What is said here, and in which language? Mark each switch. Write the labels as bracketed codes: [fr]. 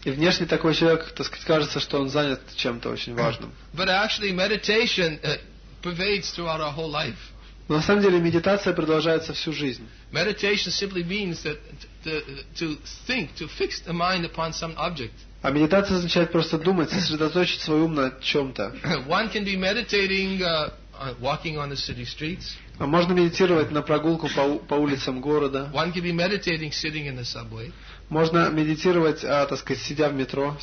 [ru] И внешне такой человек, так сказать, кажется, что он занят чем-то очень важным. [en] But actually, meditation pervades throughout our whole life. [ru] Но на самом деле медитация продолжается всю жизнь. [en] Meditation simply means that to think, to fix the mind upon some object. [ru] А медитация означает просто думать, сосредоточить свой ум на чем-то. [en] One can be meditating walking on the city streets. [ru] Можно медитировать на прогулку по улицам города. [en] One can be meditating sitting in the subway. [ru] Можно медитировать, так сказать, сидя в метро.